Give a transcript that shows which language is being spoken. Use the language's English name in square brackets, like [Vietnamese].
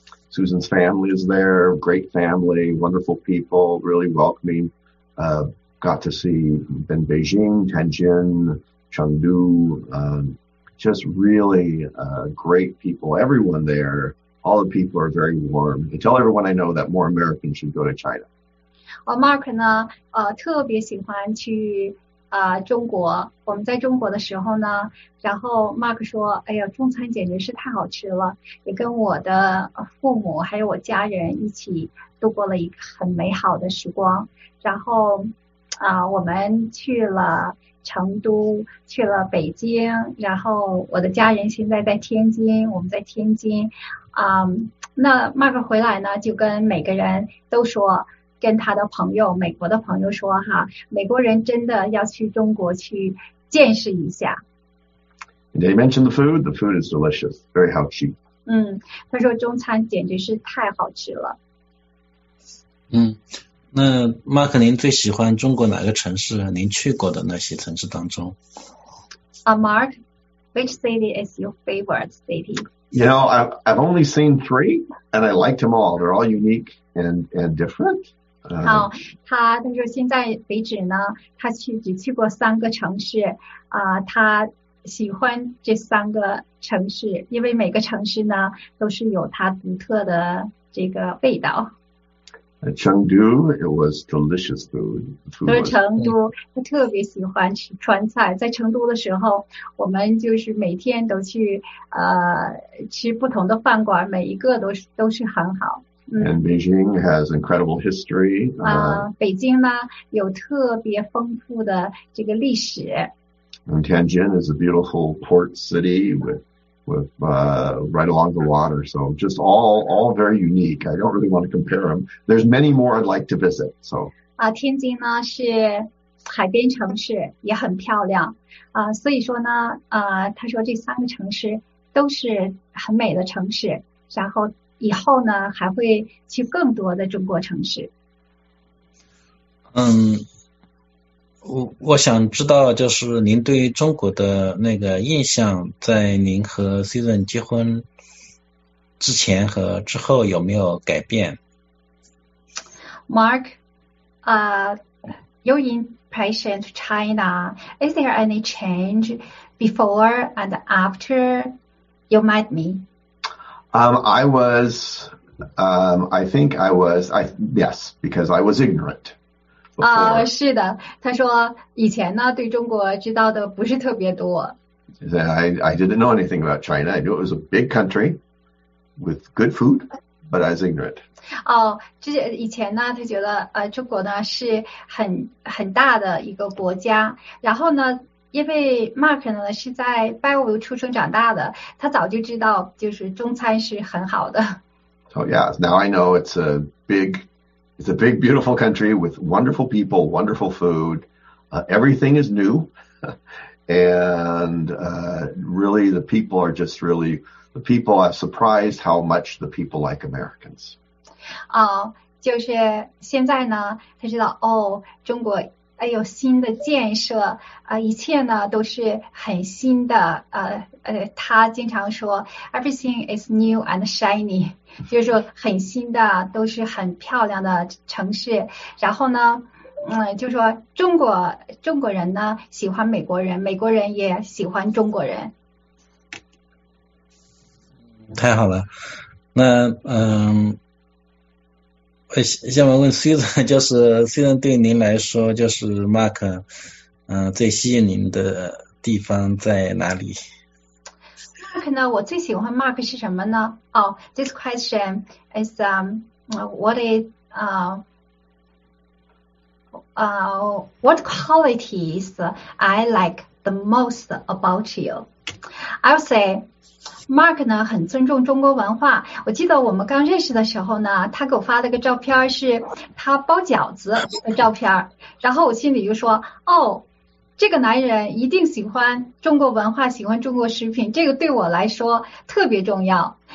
[English] Susan's family is there, great family, wonderful people, really welcoming. Got to see in Beijing, Tianjin, Chengdu, just really great people. Everyone there, all the people are very warm. I tell everyone I know that more Americans should go to China. [Chinese] Mark 呢特别喜欢去中国，我们在中国的时候呢，然后 Mark 说，哎呀，中餐简直是太好吃了，也跟我的父母还有我家人一起度过了一个很美好的时光。然后我们去了成都，去了北京，然后我的家人现在在天津，我们在天津。那 Mark 回来呢，就跟每个人都说，跟他的朋友，美国的朋友说哈，美国人真的要去中国去见识一下。 [English] Did you mention the food? The food is delicious, very healthy. [Chinese] 嗯，他说中餐简直是太好吃了。嗯，那 Mark 您最喜欢中国哪个城市？您去过的那些城市当中？ [English] Mark, which city is your favorite city? You know, I've only seen three, and I liked them all. They're all unique and different. [Chinese] 好，他说现在为止呢，他只去过三个城市，他喜欢这三个城市，因为每个城市呢都是有它独特的这个味道。 [English] Chengdu, it was delicious food. [Chinese] 对，成都，他特别喜欢吃川菜。在成都的时候，我们就是每天都去吃不同的饭馆，每一个都是很好。 [English] And Beijing has incredible history. [Chinese] 北京呢有特别丰富的这个历史。 [English] And Tianjin is a beautiful port city with right along the water. So just all very unique. I don't really want to compare them. There's many more I'd like to visit. So. [Chinese] 天津呢是海边城市，也很漂亮。所以说呢，他说这三个城市都是很美的城市。然后以后呢，还会去更多的中国城市。嗯。我想知道，就是您对于中国的那个印象，在您和 Susan 结婚之前和之后有没有改变 [English] ？Mark, your impression of China, is there any change before and after you met me? I think I was, yes, because I was ignorant. [Chinese] 是的，他说以前呢对中国知道的不是特别多。 [English] I didn't know anything about China. I knew it was a big country with good food, but I was ignorant. [Chinese] 以前呢他觉得中国呢是很大的一个国家。然后呢因为 Mark 呢是在拜物出生长大的，他早就知道就是中餐是很好的。 [English] So yeah, now I know it's a big, beautiful country with wonderful people, wonderful food. Everything is new. And really, the people are just really, the people are surprised how much the people like Americans. [Chinese] 就是现在呢，他知道，中国有新的建设，一切呢都是很新的。他经常说 ， [English] everything is new and shiny， [Chinese] 就是说很新的，都是很漂亮的城市。然后呢，就说中国人呢喜欢美国人，美国人也喜欢中国人。太好了，那下面问 Susan， 就是 Susan 对您来说，就是 Mark， 最吸引您的地方在哪里？Mark 呢，我最喜欢 Mark 是什么呢？ [English] This question is what qualities I like the most about you？ I'll say。 [Chinese] Mark 呢很尊重中国文化。我记得我们刚认识的时候呢，他给我发了个照片，是他包饺子的照片。然后我心里就说，这个男人一定喜欢中国文化，喜欢中国食品，这个对我来说特别重要。